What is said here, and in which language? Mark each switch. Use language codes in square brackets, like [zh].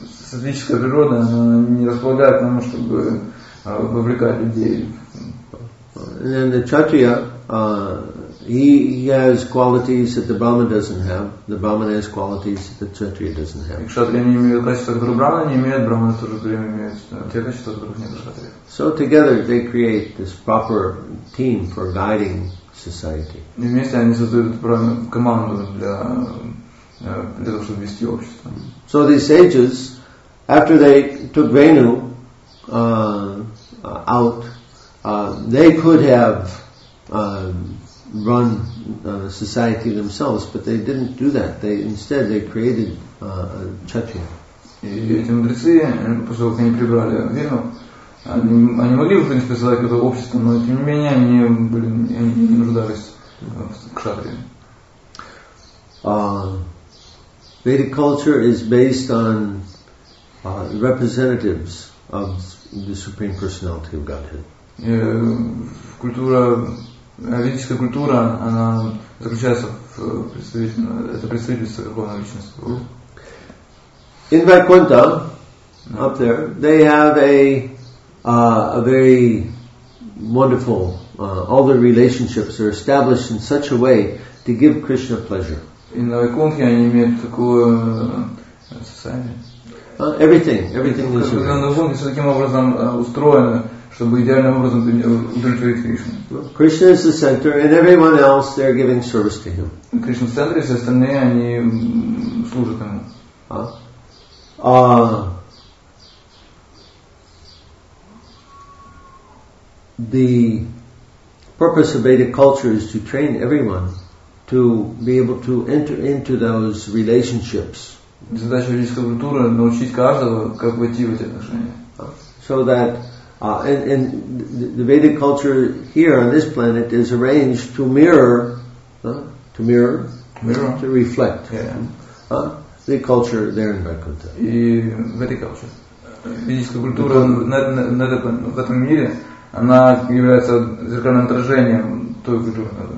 [ru] Сатвическая природа, она не располагает к тому, чтобы вовлекать людей. [en] And then the Kshatriya, he has qualities that the Brahmin doesn't have. The Brahmin has qualities that the Kshatriya doesn't have. [ru] Кшатрия не имеет качества, которые Брахмана не имеет, Брахмана тоже время имеет те качества, которых нет Кшатрия. [en] So together they create this proper team for guiding society. [ru] И вместе они создают правильную команду для того, чтобы вести общество. [en] So these sages, after they took Venu out, they could have run society themselves, but they didn't do that. Instead, they created Kshatriya. [ru] И эти мудрецы, после того, как они прибрали Вену, они могли бы, в принципе, создать какое-то общество, но тем не менее они не нуждались в Кшатрии. [en] Vedic culture is based on representatives of the Supreme Personality of Godhead. [ru] Ведическая культура, она заключается в представительстве Верховной Личности. [en] In Vaikuntha, up there, they have a very wonderful, all the relationships are established in such a way to give Krishna pleasure. In Vaikunthe, [ru] они имеют такое состояние. [en] Everything is arranged. [ru] Все таким образом устроено, чтобы идеальным образом удовлетворить Кришну. [en] Krishna is the center, and everyone else they're giving service to him. [ru] Krishna в центре, все остальные они служат ему. [en] The purpose of Vedic culture is to train everyone to be able to enter into those relationships. [ru] Задача ведической культуры — научить каждого, как войти в эти отношения. [en] So that, and the Vedic culture here on this planet is arranged to mirror, to reflect. Yeah. The culture there in Vaikuntha. И Vedic culture. [ru] Ведическая культура в этом мире, она является зеркальным отражением той культуры.